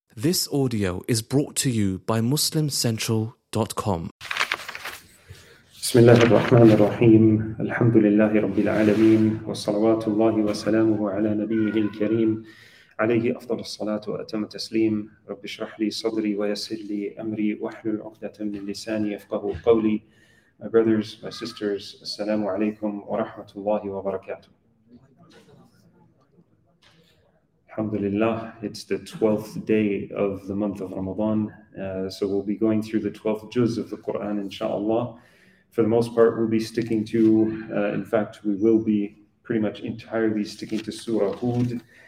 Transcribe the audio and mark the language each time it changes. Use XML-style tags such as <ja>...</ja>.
<en>This audio is brought to you by MuslimCentral.com.</en> <ar>بسم الله الرحمن الرحيم الحمد لله رب العالمين والصلوات الله وسلامه على نبيه الكريم عليه أفضل الصلاة وأتم التسليم رب اشرح لي صدري ويسر لي أمري واحلل عقدة من لساني يفقه قولي.</ar> <en>My brothers, my sisters,</en> <ar>السلام عليكم ورحمة الله وبركاته.</ar> <en>Alhamdulillah, it's the 12th day of the month of Ramadan. So we'll be going through the 12 juz of the Quran, inshallah. For the most part, we'll be sticking to, we will be pretty much entirely sticking to Surah Hud.</en>